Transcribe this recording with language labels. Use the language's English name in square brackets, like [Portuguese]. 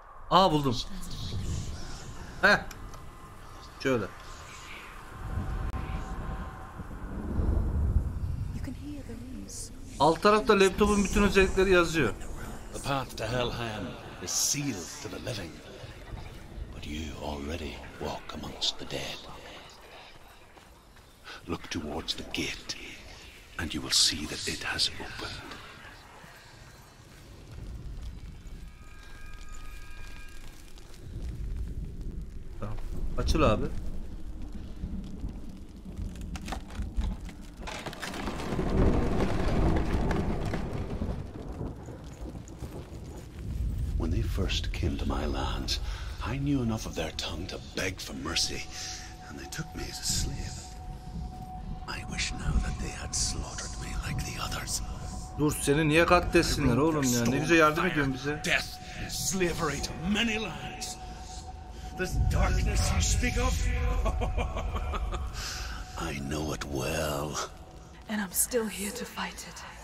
[Turkish] Aa buldum. Heh. Şöyle. [English] You can hear the rooms. [Turkish] Alt tarafta laptopun bütün özellikleri yazıyor. [English] The path to Hellhand is sealed to the living. But you already walk amongst the dead. Look towards the gate and you will see that it has opened. [Turkish] Açıl abi. [English] When they first came to my lands, I knew enough of their tongue to beg for mercy, and they took me as a slave. I wish now that they had slaughtered me like the others. [Turkish] Dur, seni niye katlettiler oğlum ya? Ne güzel yardım ediyorsun bize. [English] Death, slavery to many lands. This darkness you speak of? I know it well. And I'm still here to fight it.